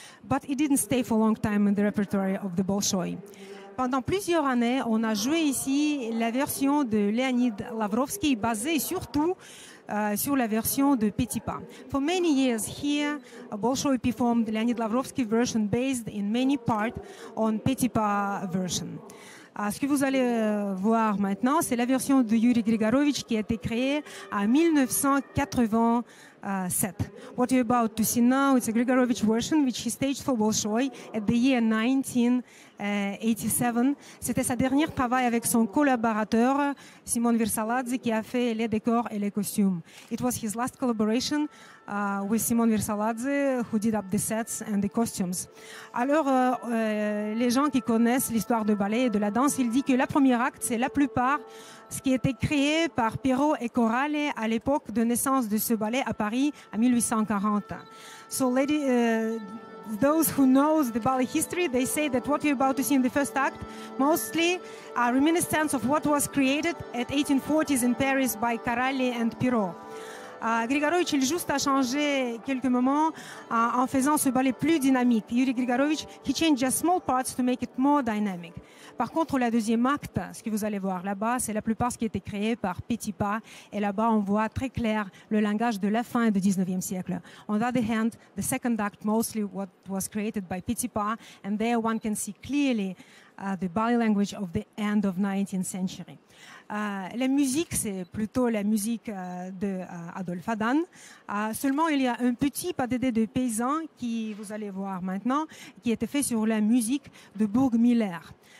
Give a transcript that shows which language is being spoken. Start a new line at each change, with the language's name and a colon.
English: But it didn't stay for a long time in the repertory of the Bolshoï.
French: Pendant plusieurs années, on a joué ici la version de Leonid Lavrovsky, basée surtout sur la version de Petipa.
English: For many years here, Bolshoï performed Leonid Lavrovsky version based in many part on Petipa version.
French: Ce que vous allez voir maintenant, c'est la version de Yuri Grigorovitch qui a été créée en 1987.
English: What you're about to see now, it's a Grigorovitch version which he staged for Bolshoi at the year 1987.
French: C'était sa dernière travail avec son collaborateur, Simon Virsaladze, qui a fait les décors et les costumes.
English: It was his last collaboration with Simon Virsaladze, who did up the sets and the costumes.
French: Alors, les gens qui connaissent l'histoire de ballet et de la danse, il dit que la première acte, c'est la plupart ce qui était créé par Pierrot et Coralie à l'époque de naissance de ce ballet à Paris en 1840.
English: So, those who know the ballet history, they say that what you're about to see in the first act mostly are reminiscences of what was created at 1840s in Paris by Coralie and Pierrot.
French: Grigorovitch, il juste a changé quelques moments en faisant ce ballet plus dynamique.
English: Yuri Grigorovitch, he changed just small parts to make it more dynamic.
French: Par contre, la deuxième acte, ce que vous allez voir là-bas, c'est la plupart ce qui a été créé par Petit Pas. Et là-bas, on voit très clair le langage de la fin du 19e siècle.
English: On the other hand, the second act, mostly what was created by Petit Pas, and there one can see clearly the ballet language of the end of 19th century.
French: La musique, c'est plutôt la musique d'Adolphe Adan. Seulement, il y a un petit pas de dé de paysan qui, vous allez voir maintenant, qui était fait sur la musique de Burg Miller.